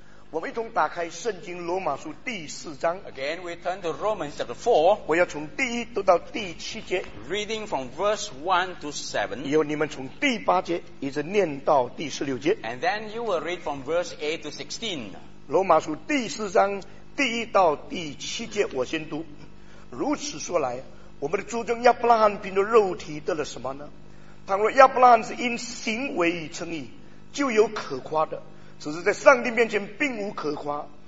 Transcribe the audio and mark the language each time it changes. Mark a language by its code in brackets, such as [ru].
[zh] 我们一同打开圣经罗马书第四章。 [en] Again, we turn to Romans chapter 4. [zh] 我要从第一读到第七节。 [en] Reading from verse 1 to 7. [zh] 以后你们从第八节一直念到第十六节。 [en] And then you will read from verse 8 to 16. [zh] 罗马书第四章第一到第七节我先读。如此说来，我们的祖宗亚伯拉罕凭着肉体得了什么呢？倘若亚伯拉罕是因行为称义，就有可夸的，只是在上帝面前并无可夸。